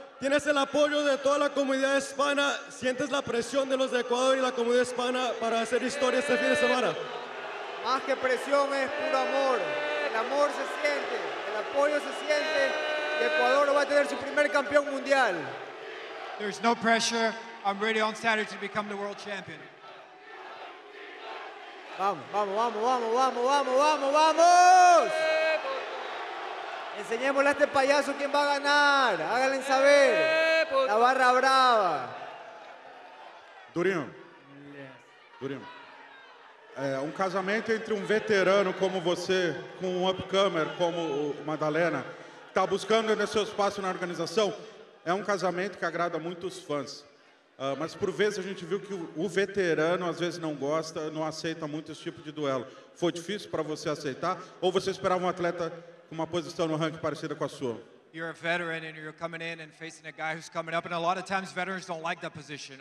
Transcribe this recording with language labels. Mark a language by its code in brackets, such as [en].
[es] ¿Tienes el apoyo de toda la comunidad hispana? ¿Sientes la presión de los de Ecuador y la comunidad hispana para hacer historia este fin de semana? Más que presión es puro amor. El amor se siente, el apoyo se siente. Ecuador va a tener su primer campeón mundial. [en] There's no pressure. I'm ready on Saturday to become the world champion. [es] Vamos, vamos, vamos, vamos, vamos, vamos, vamos, vamos. Enseñémosle a este payaso quién va a ganar. Háganle saber. La barra brava. [en] Durinho. Yes. Durinho. [pt] Um casamento entre um veterano como você, com um upcomer como o Madalena, que está buscando o seu espaço na organização, é um casamento que agrada muito os fãs. Mas por vezes a gente viu que o veterano às vezes não gosta, não aceita muito esse tipo de duelo. Foi difícil para você aceitar? Ou você esperava um atleta com uma posição no ranking parecida com a sua? [en] You're a veteran and you're coming in and facing a guy who's coming up, and a lot of times veterans don't like that position.